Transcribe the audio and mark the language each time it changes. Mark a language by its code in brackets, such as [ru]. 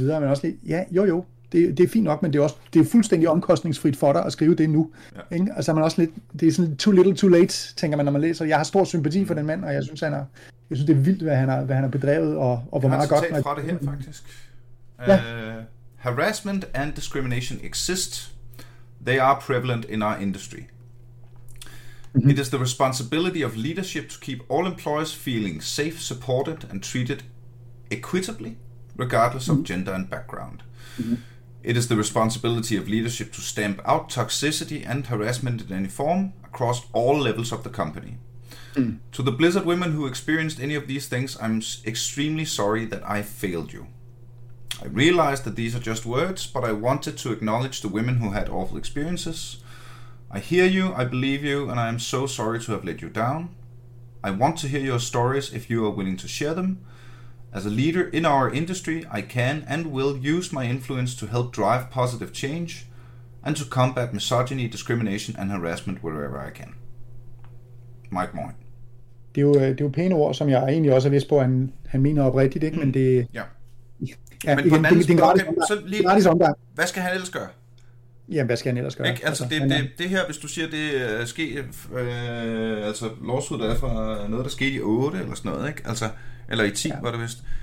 [da] Men også lige, ja, jo, det er fint nok, men det er fuldstændig omkostningsfrit for dig at skrive det nu. Ja. Ikke? Altså, man også lidt, det er sådan [en] too little too late, [da] tænker man, når man læser. Jeg har stor sympati for den mand, og jeg synes, det er vildt, hvad han har bedrevet, og hvor meget godt... Jeg har citat fra det her, faktisk. Ja. [en] Harassment and discrimination exist. They are prevalent in our industry. Mm-hmm. It is the responsibility of leadership to keep all employees feeling safe, supported and treated equitably, regardless of gender and background. Mm-hmm. It is the responsibility of leadership to stamp out toxicity and harassment in any form across all levels of the company. Mm. To the Blizzard women who experienced any of these things, I'm extremely sorry that I failed you. I realize that these are just words, but I wanted to acknowledge the women who had awful experiences. I hear you, I believe you, and I am so sorry to have let you down. I want to hear your stories if you are willing to share them. As a leader in our industry, I can and will use my influence to help drive positive change and to combat misogyny, discrimination and harassment wherever I can. Mike Moyn. [da] Det er jo pæne ord, som jeg egentlig også er vist på, at han mener oprigtigt, ikke? Men det... Ja. Ja, men igen, det er gratis omgang. Hvad skal han ellers gøre? Jamen, hvad skal han ellers gøre? Ikke? Altså, det her, hvis du siger, det er sket... altså, lawsuit er fra noget, der skete i 8 eller sådan noget, ikke? Altså... Eller i 10, ja. Var det vist.